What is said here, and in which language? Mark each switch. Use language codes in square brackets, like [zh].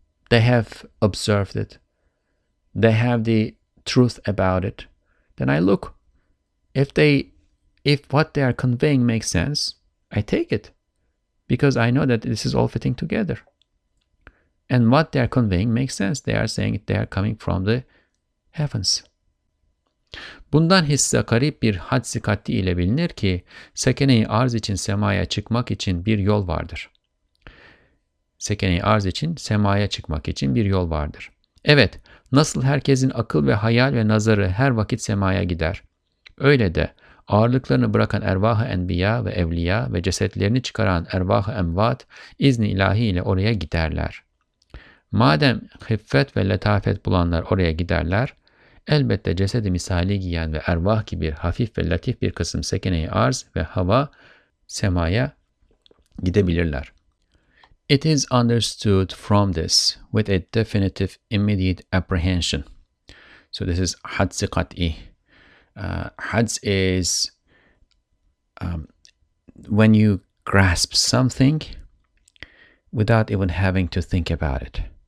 [en] They have observed it. They have the truth about it. Then I look. If what they are conveying makes sense, I take it. Because I know that this is all fitting together. And what they are conveying makes sense. They are saying they are coming from the heavens. [tr] Bundan hisse garip bir hadsi kat'i ile bilinir ki, sekene-i arz için semaya çıkmak için bir yol vardır. Sekene-i arz için semaya çıkmak için bir yol vardır. Evet, nasıl herkesin akıl ve hayal ve nazarı her vakit semaya gider. Öyle de, ağırlıklarını bırakan ervah-ı enbiya ve evliya ve cesetlerini çıkaran ervah-ı emvat izni ilahi ile oraya giderler. Madem hiffet ve letafet bulanlar oraya giderler, elbette cesedi misali giyen ve ervah gibi hafif ve latif bir kısım sekene-i arz ve hava semaya gidebilirler. [en] It is understood from this with a definitive immediate apprehension. So this is hadsi kat'i. Hadz is when you grasp something without even having to think about it.